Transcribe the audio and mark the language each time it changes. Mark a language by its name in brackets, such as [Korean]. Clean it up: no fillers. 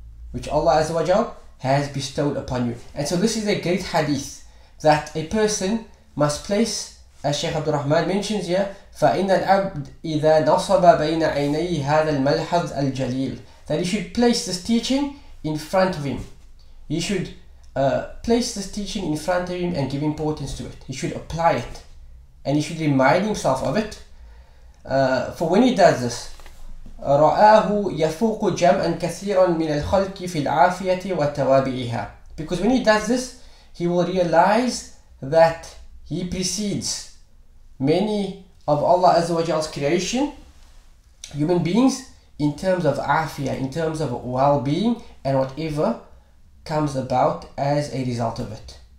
[English] Which Allah Azza wa Jal has bestowed upon you. And so this is a great hadith that a person must place, as Shaykh Abdul Rahman mentions here, [Arabic] فَإِنَّ الْعَبْدِ إِذَا نَصَبَ بَيْنَ عَيْنَيْهِ هَذَا الْمَلْحَظ الْجَلِيلِ. [English] That he should place this teaching in front of him. He should place this teaching in front of him and give importance to it. He should apply it. And he should remind himself of it. For when he does this, [Arabic] رَآهُ يَفُوقُ جَمْعًا كَثِيرًا مِنَ الْخَلْكِ فِي الْعَافِيَةِ وَتَوَابِعِهَا. [English] Because when he does this, he will realize that he precedes many of Allah Azza wa Jal's creation, human beings, in terms of afia, in terms of well-being, and whatever comes about as a result of it.